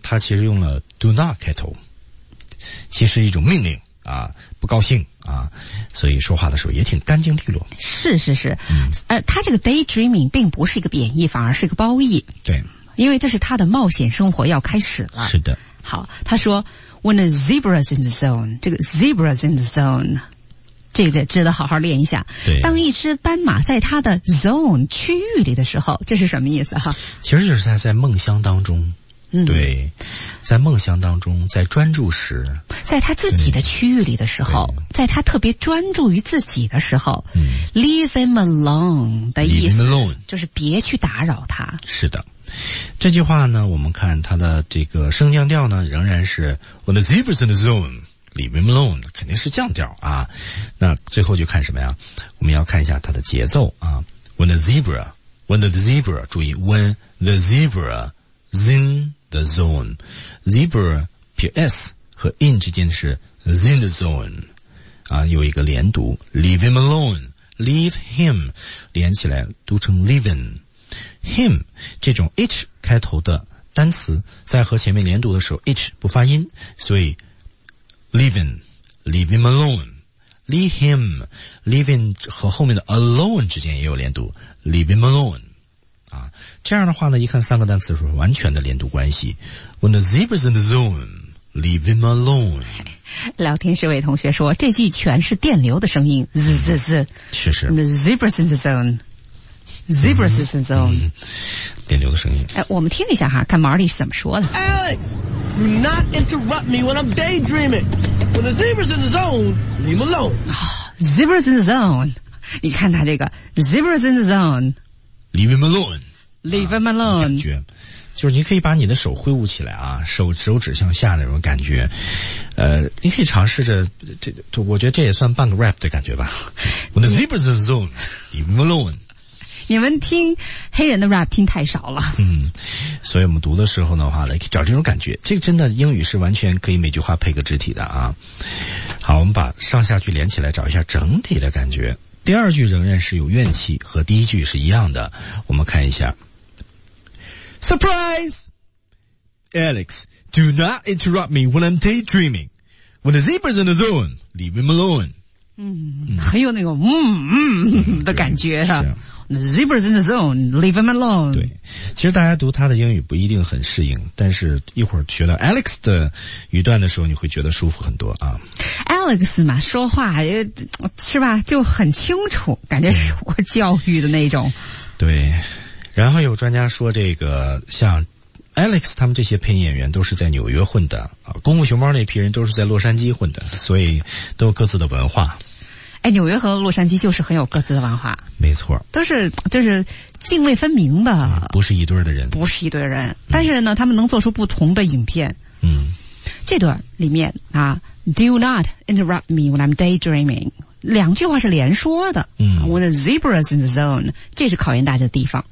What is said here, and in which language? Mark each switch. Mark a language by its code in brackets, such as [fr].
[zh] 他其实用了 do not 开头。其实一种命令啊，不高兴啊，所以说话的时候也挺干净利落。是是是，他这个 daydreaming 并不是一个贬义，反而是一个褒义。对。因为这是他的冒险生活要开始了。是的。好，他说 [en] When a zebra's in the zone, 这个 zebra's in the zone, [zh] 这个值得好好练一下。对。当一只斑马在它的 zone 区域里的时候，这是什么意思哈？其实就是在梦乡当中。对。在梦乡当中，在专注时。在它自己的区域里的时候，在它特别专注于自己的时候。 [en] Leave him alone [zh] 的意思。 [en] Leave him alone. [zh] 就是别去打扰它。是的。这句话呢，我们看它的这个升降调呢，仍然是 [en] When the zebra's in the zone, leave him alone, [zh] 肯定是降调啊。那最后就看什么呀？我们要看一下它的节奏啊。 When the zebra, 注意 [en] When the zebra is in the zone, [zh] zebra 撇 s 和 in 之间是 in the zone 啊，有一个连读 [en] leave him alone, [zh] leave him 连起来读成 leaveinHim 这种 H 开头的单词在和前面连读的时候 H 不发音，所以 [en] Leave him alone, [zh] Leave him, Leaving 和后面的 alone 之间也有连读 Leave him alone、啊、这样的话呢，一看三个单词是完全的连读关系。 [en] When the zebra's in the zone, Leave him alone。 [zh] 聊天室位同学说这句全是电流的声音 z z z，确实 [en] The zebra's in the zoneZebra's in the zone. [zh] 电流的声音。哎，我们听一下哈，看 Marty 是怎么说的。 [en] Alex, do not interrupt me when I'm daydreaming. When the zebra's in the zone, leave me alone.、 Zebra's in the zone. [zh] 你看他这个 [en] ,Zebra's in the zone. Leave him alone. Leave him alone.、 [zh] 感觉。就是你可以把你的手挥舞起来啊，手指向下那种感觉，你可以尝试着，我觉得这也算半个 rap 的感觉吧。 [en] When the zebra's in the zone, leave him alone. [zh] 你们听黑人的 rap 听太少了，所以我们读的时候的话呢，可以找这种感觉。这个真的英语是完全可以每句话配个肢体的啊。好，我们把上下句连起来，找一下整体的感觉。第二句仍然是有怨气，和第一句是一样的。我们看一下 ， [en] Surprise, Alex, do not interrupt me when I'm daydreaming. When the zebra's in the zone, leave him alone. [zh] 很有那个的感觉啊。 [en] Zebra's in the zone, leave him alone. [zh] 对，其实大家读他的英语不一定很适应，但是一会儿学到 Alex 的语段的时候，你会觉得舒服很多啊。 Alex 嘛，说话是吧，就很清楚，感觉受过教育的那种。对，然后有专家说，这个像 Alex 他们这些配音演员都是在纽约混的啊，功夫熊猫那批人都是在洛杉矶混的，所以都有各自的文化。哎，纽约和洛杉矶就是很有各自的文化，没错，都是泾渭分明的、不是一对的人，不是一对人、但是呢，他们能做出不同的影片。这段里面啊 [en] ，Do not interrupt me when I'm daydreaming， [zh] 两句话是连说的。 [en] When the zebra's in the zone， [zh] 这是考验大家的地方。